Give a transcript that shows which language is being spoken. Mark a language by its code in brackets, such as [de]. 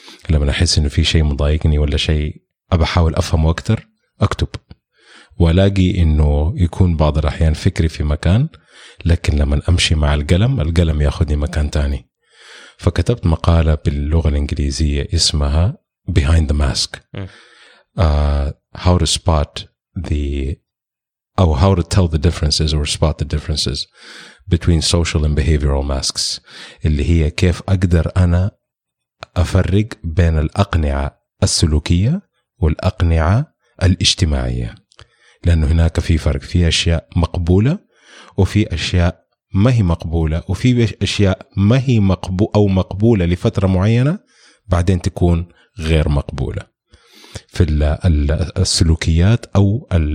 [ar] لما أحس إنه في شيء مضايقني ولا شيء أبحاول أفهمه أكتر أكتب، وألاقي إنه يكون بعض الأحيان فكري في مكان، لكن لما أمشي مع القلم يأخذني مكان تاني. فكتبت مقالة باللغة الإنجليزية اسمها Behind the Mask. [en] How to spot the, or how to tell the differences or spot the differences between social and behavioral masks. [ar] اللي هي كيف أقدر أنا أفرق بين الأقنعة السلوكية والأقنعة الاجتماعية، لأنه هناك في فرق، في أشياء مقبولة وفي أشياء ما هي مقبولة، وفي أشياء ما هي مقبولة أو مقبولة لفترة معينة بعدين تكون غير مقبولة في السلوكيات أو